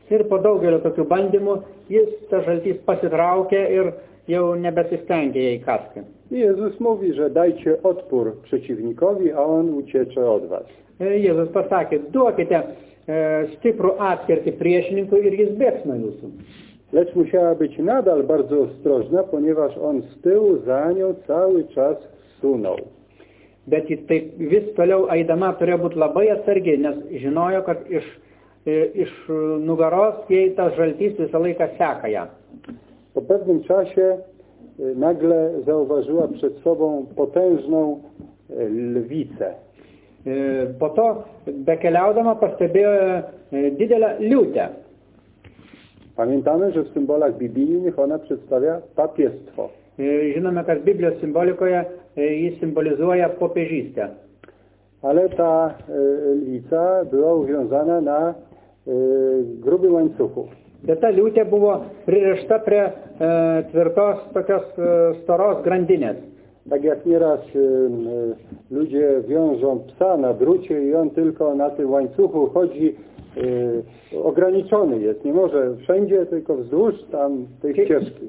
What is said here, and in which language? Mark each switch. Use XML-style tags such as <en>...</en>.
<lt>Ir po daugelio tokių bandymų jis, tas žaltys, pasitraukė ir jau nebesistengė jej kaskę.</lt> <pl>Jėzus mówi, że dajcie odpór przeciwnikowi, a on uciecze od was.</pl> <lt>Jėzus pasakė, duokite stiprų atkirtį priešininkui ir jis bėgs nuo jūsų.</lt> <pl>Lecz musiała być nadal bardzo ostrożna, ponieważ on z tyłu za nią cały czas sunął.</pl> <lt>Bet jis taip vis toliau eidama turėjo būti labai atsargiai, nes žinojo, kad iš nugaros jej tas žaltys visą laiką seka ją.</lt> <pl>Po pewnym czasie nagle zauważyła przed sobą potężną lwicę.</pl> <lt>Po to, bekeliaudama, pastebėjo didelę liūtę.</lt> <pl>Pamiętamy, że w symbolach biblijnych ona przedstawia papiestwo.</pl> <lt>Žinome, kad Biblijos simbolikoje ji symbolizuoja popiežystę.</lt> <pl>Ale ta lwica była uwiązana na grubą łańcuchu.</pl> <lt>Bet ta liūtė buvo pririšta prie tvirtos, tokios storos grandinės.</lt> <pl>Tak jak nieraz ludzie wiążą psa na drucie i on tylko na tym łańcuchu chodzi, ograniczony jest, nie może wszędzie, tylko wzdłuż tam tej ścieżki.</pl>